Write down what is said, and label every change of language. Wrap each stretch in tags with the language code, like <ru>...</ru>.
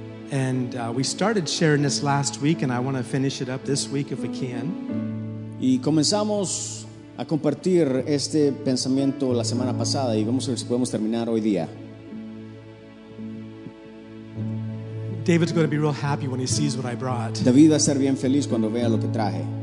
<en>And we started sharing this last week, and I want to finish it up this week if we can.</en> <es>Y comenzamos a compartir este pensamiento la semana pasada, y vamos a ver si podemos terminar hoy día.</es> <en>David's going to be real happy when he sees what I brought.</en> <es>David va a ser bien feliz cuando vea lo que traje.</es>